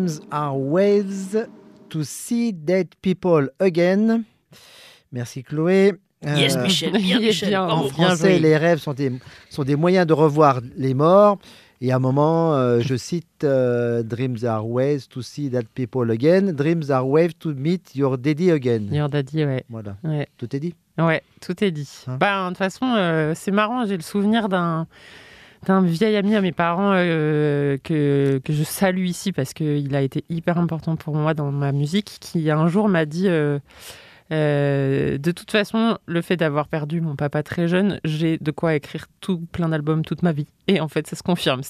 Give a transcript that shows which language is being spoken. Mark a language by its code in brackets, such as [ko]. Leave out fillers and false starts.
[en] are ways to see dead people again. [fr] Merci Chloé. [en] Yes, Michel. [fr] En français, les rêves sont des moyens de revoir les morts. Et à un moment, je cite [en] « Dreams are ways to see dead people again. Dreams are ways to meet your daddy again. » Your daddy, [fr] ouais. Voilà. Ouais. Tout est dit. Ouais, tout est dit. Hein? Bah, de toute façon, c'est marrant, j'ai le souvenir d'un vieil ami à mes parents que je salue ici parce qu'il a été hyper important pour moi dans ma musique, qui un jour m'a dit « De toute façon, le fait d'avoir perdu mon papa très jeune, j'ai de quoi écrire tout plein d'albums toute ma vie. » Et en fait, ça se confirme.